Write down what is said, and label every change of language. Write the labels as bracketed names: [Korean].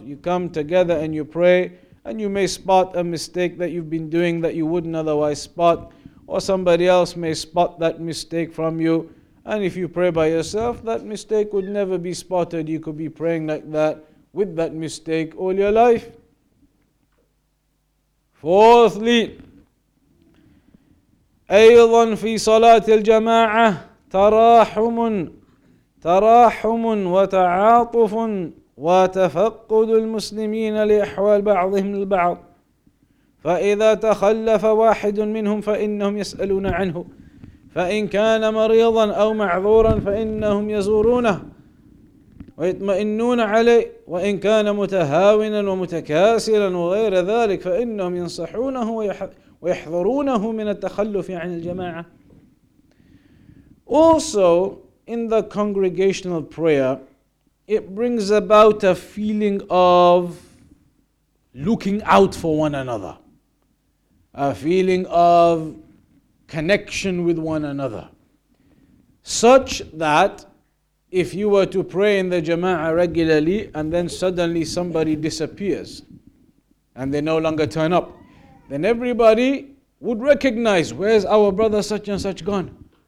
[English] You come together and you pray, and you may spot a mistake that you've been doing that you wouldn't otherwise spot, or somebody else may spot that mistake from you. And if you pray by yourself, that mistake would never be spotted. You could be praying like that with that mistake all your life. [Arabic] Fourthly, أيضا في صلاة الجماعة تراحم تراحم وتعاطف وتفقد المسلمين لأحوال بعضهم البعض فإذا تخلف واحد منهم فإنهم يسألون عنه فإن كان مريضا أو معذورا فإنهم يزورونه ويطمئنون عليه وإن كان متهاونا ومتكاسلا وغير ذلك فإنهم ينصحونه ويحذرونه من التخلف عن الجماعة. [English] Also in the congregational prayer, it brings about a feeling of looking out for one another, a feeling of connection with one another, such that if you were to pray in the jama'ah regularly and then suddenly somebody disappears and they no longer turn up, then everybody would recognize, where's our brother such and such gone?